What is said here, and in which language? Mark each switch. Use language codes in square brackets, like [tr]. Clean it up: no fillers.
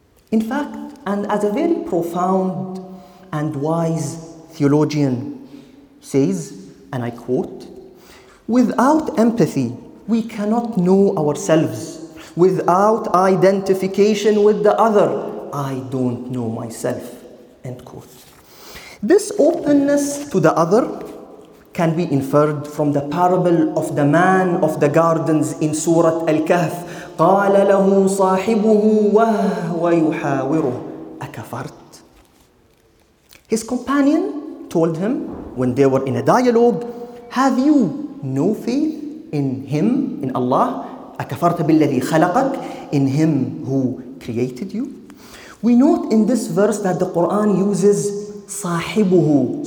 [en] In fact, and as a very profound and wise theologian says, and I quote, without empathy, we cannot know ourselves. Without identification with the other, I don't know myself, end quote. This openness to the other can be inferred from the parable of the man of the gardens in Surah Al-Kahf. [ar] قال له صاحبه وهو يحاوره أكفرت. [en] His companion told him when they were in a dialogue, have you no faith in him, in Allah? [ar] أكفرت بالذي خلقك, [en] in him who created you? We note in this verse that the Quran uses صاحبه.